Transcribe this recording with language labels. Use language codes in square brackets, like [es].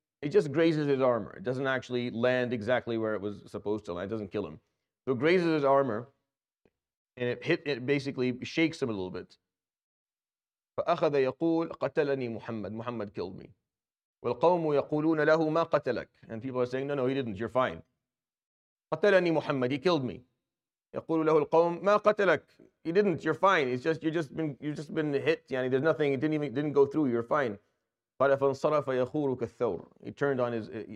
[en] It just grazes his armor. It doesn't actually land exactly where it was supposed to land. It doesn't kill him. So it grazes his armor, and it basically shakes him a little bit. [ar] فَأَخَذَ يَقُولْ قَتَلَنِي مُحَمَّدٍ [en] Muhammad killed me. [ar] وَالْقَوْمُ يَقُولُونَ لَهُ مَا قَتَلَكَ [en] And people are saying, no, he didn't, you're fine. [ar] قَتَلَنِي مُحَمَّدٍ [en] He killed me. [ar] يقول له القوم ما قتلك [en] he didn't you're fine it's just you've just been hit يعني there's nothing it didn't go through you're fine [ar] قال فانصرف يخور كالثور [en] he turned on his